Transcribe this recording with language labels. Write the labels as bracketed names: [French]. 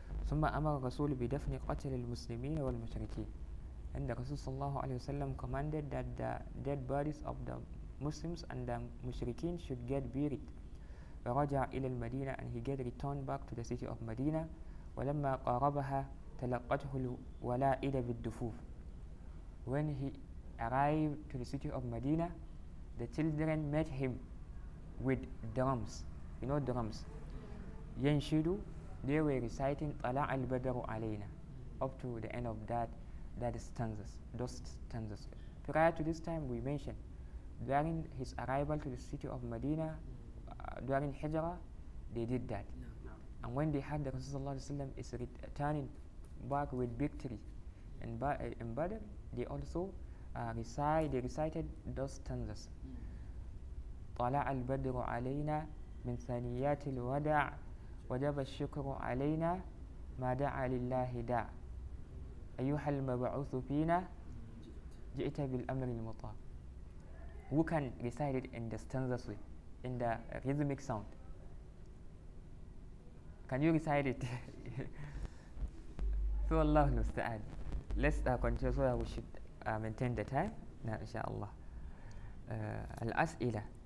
[Arabic] ثُمَّ أَمَرَ الرَّسُولُ بِدَفْنِ قَتْلِ الْمُسْلِمِينَ وَالْمُشْرِكِينَ. [English] And the Rasul sallallahu alayhi wa sallam commanded that the dead bodies of the Muslims and the Mushrikeen should get buried. [Arabic] وَرَجَعَ إِلَى الْمَدِينَةِ. [English] And he get returned back to the city of Medina. [Arabic] وَلَمَّا قَارَبَهَا تلقته الولائد بالدفوف. [English] When he arrived to the city of Medina, the children met him with drums. You know drums. ينشدوا. They were reciting [Arabic] طلع البدر علينا [English] up to the end of those stanzas. Prior to this time, we mentioned during his arrival to the city of Medina, during Hijrah, they did that. No. And when they had the Rasulullah is returning back with victory in Badr, they also recited those stanzas. [Arabic] طلع البدر علينا من ثنيات الوداع وجب الشكر علينا ما دعا لله داع أيها المبعوث فينا جئت بالأمر المطاع. [English] Who can recite it in the stanzas way, in the rhythmic sound? Can you recite it? So Allah musta'an. Let's continue so that we should maintain the time. Na insha'Allah. Al-As'ila.